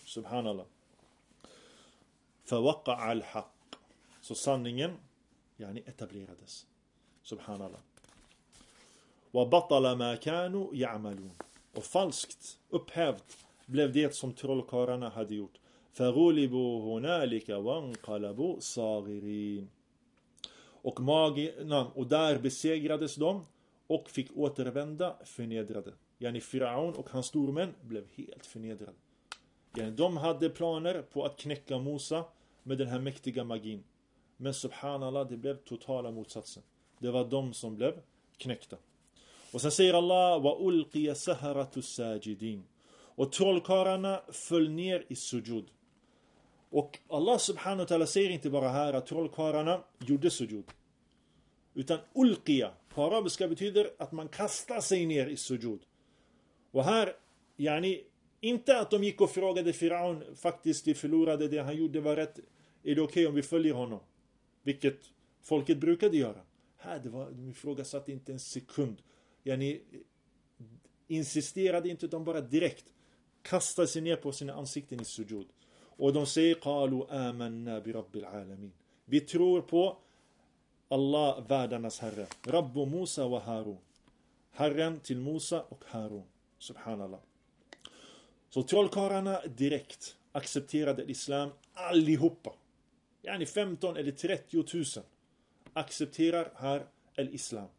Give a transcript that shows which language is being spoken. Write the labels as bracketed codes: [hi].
[ar] Subhanallah. فوقع الحق. [sv] Så sanningen etablerades. Subhanallah. [ar] وبطل ما كانوا يعملون. [sv] Och falskt upphävt blev det som trollkarlarna hade gjort. [ar] فغلبوا هنالك وانقلبوا صاغرين. [sv] Och magierna, och där besegrades de och fick återvända förnedrade. Yani Firaun och hans stormän blev helt förnedrade. Yani de hade planer på att knäcka Mosa med den här mäktiga magin. Men subhanallah, det blev totala motsatsen. Det var de som blev knäckta. Och sen säger Allah, [ar] وَأُلْقِيَ سَهَرَةُ السَّاجِدِينَ. [sv] Och trollkarlarna föll ner i sujud. Och Allah subhanahu wa ta'ala säger inte bara här att trollkarlarna gjorde sujud. Utan ulqiya på arabiska betyder att man kastar sig ner i sujud. Och här, yani, inte att de gick och frågade Firaun, faktiskt de förlorade det han gjorde, var rätt, är det okej om vi följer honom? Vilket folket brukade göra. Här, det var, de ifrågasatte inte en sekund. Yani, insisterade inte, utan bara direkt kastade sig ner på sina ansikten i sujud. Och de säger, [ar] قَالُوا آمَنَّا بِرَبِّ الْعَالَمِينَ. [sv] Vi tror på Allah, världarnas herre. [ar] Rabbu Musa wa Harun. [sv] Herren till Musa och Harun. Subhanallah. Så trollkarlarna direkt accepterade islam allihopa. Yani 15 eller 30 000 accepterar här al-islam.